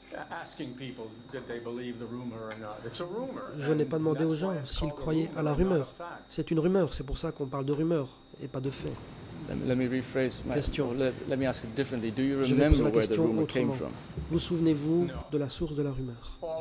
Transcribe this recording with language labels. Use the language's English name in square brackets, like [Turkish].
[English] Asking people did they believe the rumor or not. It's a rumor. [French] Je n'ai pas demandé aux gens s'ils croyaient à la rumeur. C'est une rumeur, c'est pour ça qu'on parle de rumeur et pas de fait. [English] Let me rephrase my question. Let me ask it differently. Do you remember where the rumor came from? [French] Vous souvenez-vous de la source de la rumeur?